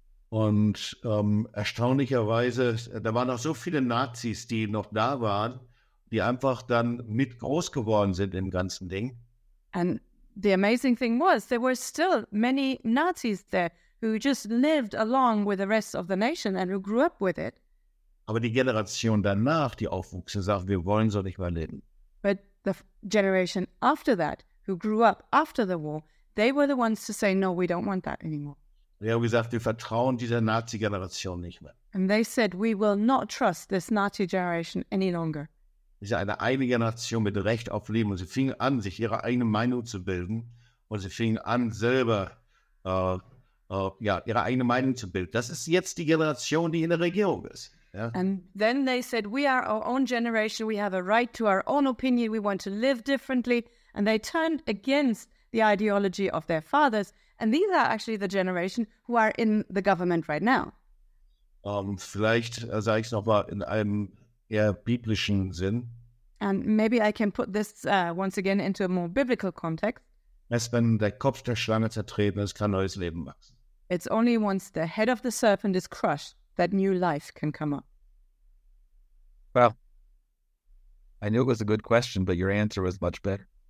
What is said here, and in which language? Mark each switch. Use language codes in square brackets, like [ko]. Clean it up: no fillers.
[de] Und erstaunlicherweise, da waren auch so viele Nazis, die noch da waren, die einfach dann mit groß geworden sind im ganzen Ding. [en] And the amazing thing was, there were still many Nazis there who just lived along with the rest of the nation and who grew up with it. [de] Aber die Generation danach, die aufwuchs und sagt, wir wollen so nicht mehr leben. [en] But the generation after that, who grew up after the war, they were the ones to say, no, we don't want that anymore. [de] Die haben gesagt, wir vertrauen dieser Nazi-Generation nicht mehr. [en] And they said, we will not trust this Nazi generation any longer. [de] Sie ist eine eigene Generation mit Recht auf Leben und sie fingen an, sich ihre eigene Meinung zu bilden und sie fingen an, selber ihre eigene Meinung zu bilden. Das ist jetzt die Generation, die in der Regierung ist. [en] Yeah. And then they said, we are our own generation, we have a right to our own opinion, we want to live differently. And they turned against the ideology of their fathers. And these are actually the generation who are in the government right now. [de] Vielleicht sage ich es nochmal in einem eher biblischen Sinn. [en] And maybe I can put this once again into a more biblical context. [de] Erst wenn der Kopf der Schlange zertreten ist, kann neues Leben wachsen. [en] It's only once the head of the serpent is crushed that new life can come up. Well, I knew it was a good question, but your answer was much better.